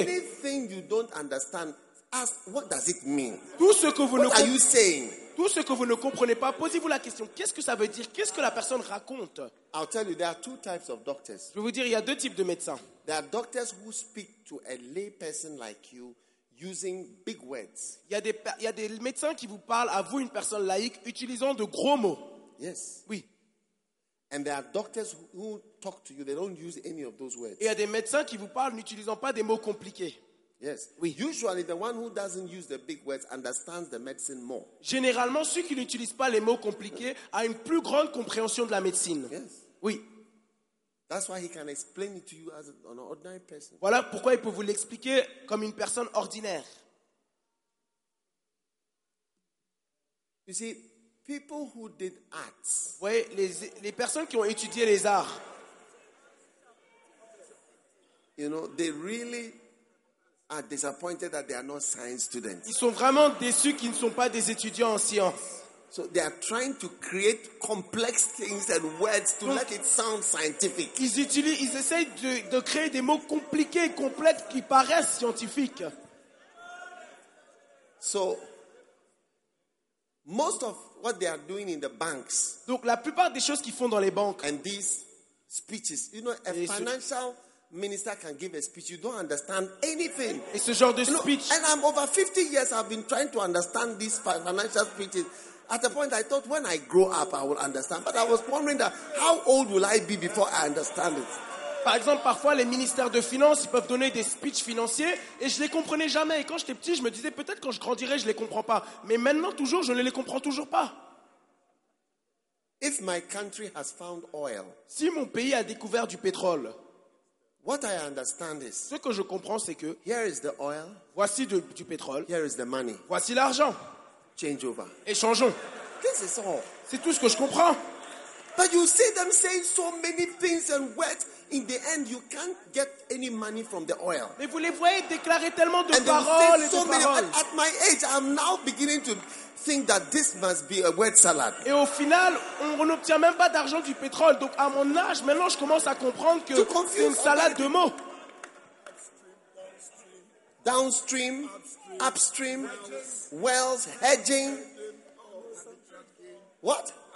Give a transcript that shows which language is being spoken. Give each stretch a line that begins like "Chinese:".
English: Anything you don't understand, ask what does it mean?
French: Tout ce que vous
English: what
French: ne
English: are you saying?
French: Tout ce que vous ne comprenez pas, posez-vous la question. Qu'est-ce que ça veut dire? Qu'est-ce que la personne raconte?
English: I'll tell you, there are two types of doctors.
French: Je vais vous dire, il y a deux types de médecins.
English: There are doctors who speak to a lay person like you using big words.
French: Il y a des médecins qui vous parlent à vous, une personne laïque, utilisant de gros mots.
English: Yes.
French: Oui.
English: And there are doctors who talk to you, they don't use any of those words.
French: Il y a des médecins qui vous parlent n'utilisant pas des mots compliqués.
English: Yes.
French: Oui.
English: Usually the one who doesn't use the big words understands the medicine more.
French: Généralement, ceux qui n'utilisent pas les mots compliqués a une plus grande compréhension de la médecine.
English: Yes.
French: Oui.
English: That's why he can explain it to you as an ordinary person.
French: Voilà pourquoi il peut vous l'expliquer comme une personne ordinaire.
English: You see, people who did arts.
French: Oui, les personnes qui ont étudié les arts.
English: You know, they really are disappointed that they are not science students.
French: Ils sont vraiment déçus qu'ils ne sont pas des étudiants en sciences.
English: So they are trying to create complex things and words to make it sound scientific.
French: Ils essayent de créer des mots compliqués et complexes qui paraissent scientifiques.
English: So most of what they are doing in the banks.
French: Donc la plupart des choses qu'ils font dans les banques.
English: And these speeches, you know, a financial minister can give a speech. You don't understand anything.
French: Et ce genre de speech.
English: You know, and I'm over 50 years. I've been trying to understand these financial speeches. At a point, I thought, when I grow up, I will understand. But I was wondering that, how old will I be before I understand it?
French: Par exemple, parfois, les ministères de finances peuvent donner des speeches financiers et je ne les comprenais jamais. Et quand j'étais petit, je me disais, peut-être quand je grandirai, je ne les comprends pas. Mais maintenant, toujours, je ne les comprends toujours pas.
English: If my country has found oil,
French: si mon pays a découvert du pétrole,
English: what I understand is,
French: ce que je comprends, c'est que
English: here is the oil,
French: voici du pétrole,
English: here is the money.
French: Voici l'argent.
English: Change over.
French: Échangeons.
English: This is all.
French: C'est tout ce que je comprends.
English: But you see them saying so many things and words. In the end, you can't get any money from the oil.
French: Mais vous les voyez déclarer tellement de paroles et de paroles.
English: At my age, I'm now beginning to think that this must be a word salad.
French: Et au final, on n'obtient même pas d'argent du pétrole. Donc à mon âge, maintenant, je commence à comprendre que c'est une salade de mots.
English: Downstream, upstream, wells, hedging. What?